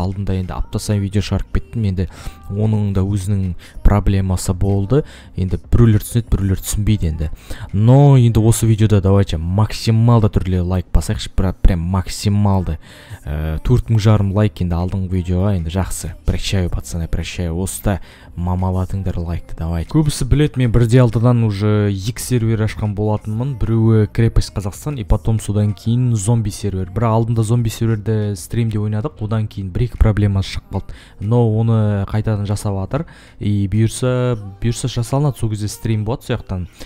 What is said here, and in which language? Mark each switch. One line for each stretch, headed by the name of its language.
Kazakh: Алдында енді апта сайын видео шығарып кеттім, енді оның да өзінің проблемасы болды. Енді біреулер түсінеді, біреулер түсінбейді енді. Но енді осы видеода давайте максималды түрде лайк басайықшы, прям максималды. 4500 лайк енді алдыңғы видеоға, енді жақсы.
Russian: Прощаю, пацаны, прощаю.
Kazakh: Осыда мамалатыңдар лайкты, давайте. Көбісі біледі, мен 1.6-дан уже 2 сервер ашқан болатынмын. Біреуі Крепость Қазақстан,
Russian: и потом
Kazakh: содан кейін зомби сервер. Бір алдында зомби серверді стримде ойнадық, одан кейін бір-екі проблема шығып қалды. Но оны қайтадан жасап жатыр. И бұйырса жасалынады, сол кезде стрим болады сияқтан.